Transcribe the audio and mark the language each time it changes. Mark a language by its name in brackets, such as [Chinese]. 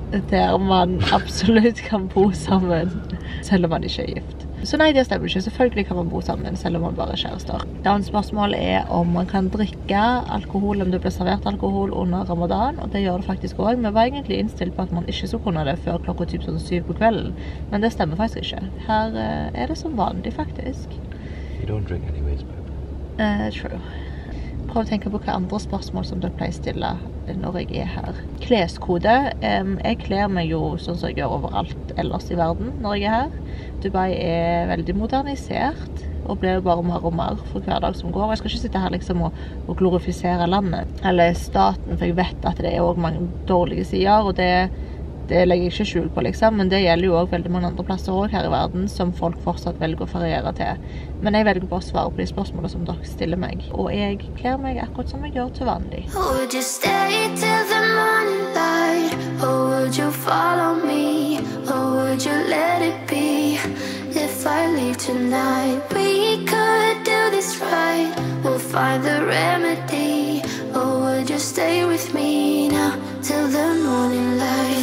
[Norwegian] Der man absolutt kan bo sammen, selv om man ikke er gift. Så nei, det stemmer ikke. Selvfølgelig kan man bo sammen, selv om man bare er kjærester. Det andre spørsmålet er om man kan drikke alkohol, om det blir servert alkohol under ramadan. Og det gjør det faktisk også. Vi var egentlig innstillt på at man ikke skulle kunne det før klokka typ sånn 7 på kvelden. Men det stemmer faktisk ikke. Her er det som vanlig, faktisk. [English] You don't drink anyways, babe. True. [Norwegian] Prøv å tenke på hva andre spørsmål som dere pleier stille når jeg er her. Kleskode. Jeg klær meg jo sånn som jeg gjør overalt ellers i verden når jeg er her. Dubai er veldig modernisert og blir jo bare mer og mer for hver dag som går. Jeg skal ikke sitte her liksom og glorifisere landet eller staten, for jeg vet at det er også mange dårlige sider, og det legger jeg ikke skjul på liksom, men det gjelder jo også veldig mange andre plasser også her i verden som folk fortsatt velger å feriere til. Men jeg velger bare å svare på de spørsmålene som dere stiller meg, og jeg klær meg akkurat som jeg gjør til vanlig. [English] Would you stay till the moonlight, or would you follow me, or would you let it be if I leave tonight? We could do this right, we'll find the remedy, or would you stay with me now till the morning light?